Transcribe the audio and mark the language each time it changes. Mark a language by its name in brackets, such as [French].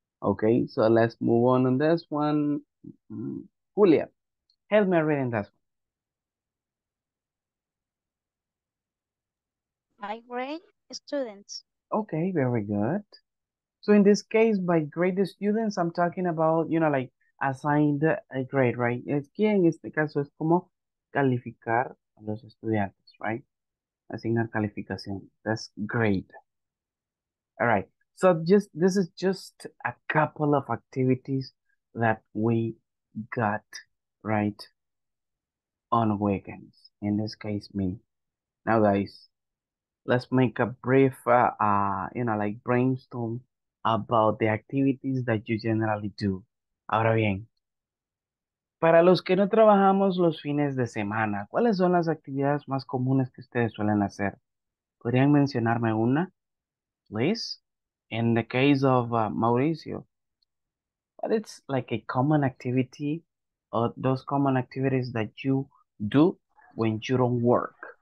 [English] Okay, so let's move on this one. Julia, help me read in this one. I grade students. Okay, very good. So in this case, by grade students, I'm talking about, you know, like assigned a grade, right? [Spanish] Aquí en este caso es como calificar a los estudiantes, right? Asignar calificación. [English] That's grade. All right. So this is just a couple of activities that we got, right, on weekends. In this case, me. Now, guys, let's make a brief, you know, like brainstorm about the activities that you generally do. [Spanish] Ahora bien, Para los que no trabajamos los fines de semana, ¿cuáles son las actividades más comunes que ustedes suelen hacer? ¿Podrían mencionarme una? [English] Please, in the case of Mauricio, but it's like a common activity or those common activities that you do when you don't work.